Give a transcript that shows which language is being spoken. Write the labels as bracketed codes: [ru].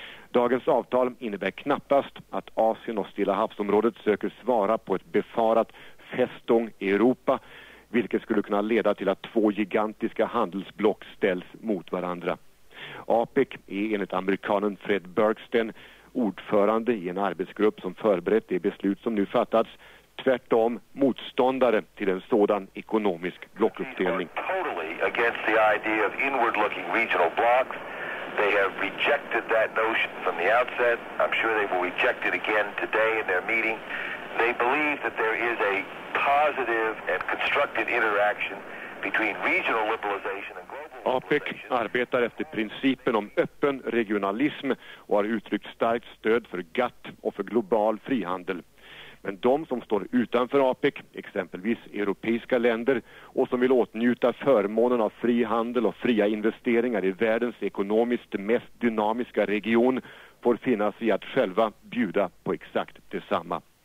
[sv] Dagens avtal innebär knappast att Asien och Stilla havsområdet söker svara på ett befarat Festung Europa, vilket skulle kunna leda till att två gigantiska handelsblock ställs mot varandra. APEC är enligt amerikanen Fred Bergsten ordförande i en arbetsgrupp som förberett det beslut som nu fattats, tvärtom motståndare till en sådan ekonomisk blockuppdelning. [en] Totally against the idea of inward-looking regional blocks. They have rejected that notion from the outset. I'm sure they will reject it again today in their meeting. They believe that there is a positive and constructive interaction between regional liberalization and global liberalization. [sv] APEC arbetar efter principen om öppen regionalism och har uttryckt starkt stöd för GATT och för global frihandel. Men de som står utanför APEC, exempelvis europeiska länder, och som vill åtnjuta förmånen av fri handel och fria investeringar i världens ekonomiskt mest dynamiska region, får finna sig att själva bjuda på exakt detsamma.